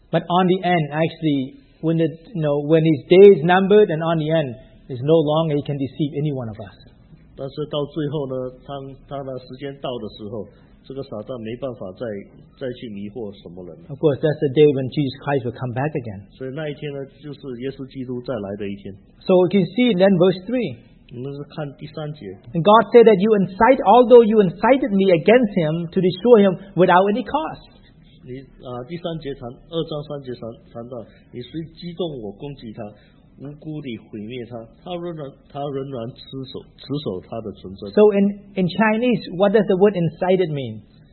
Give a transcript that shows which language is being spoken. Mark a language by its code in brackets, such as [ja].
[en] But on the end, actually, when the, you know, when his day is numbered, and on the end, it's no longer he can deceive any one of us. [zh] 但是到最后呢，他的时间到的时候，这个撒旦没办法再去迷惑什么人。 [en] Of course, that's the day when Jesus Christ will come back again. [zh] 所以那一天呢，就是耶稣基督再来的一天。 [en] So we can see then verse 3. [zh] 我们是看第三节。 [en] And God said that you incite, although you incited me against him to destroy him without any cause. [zh] 你第三节谈二章三节谈到，你虽激动我攻击他，无辜地毁灭他，他仍然持守他的纯正。 [en] So in Chinese, what does the word incited mean?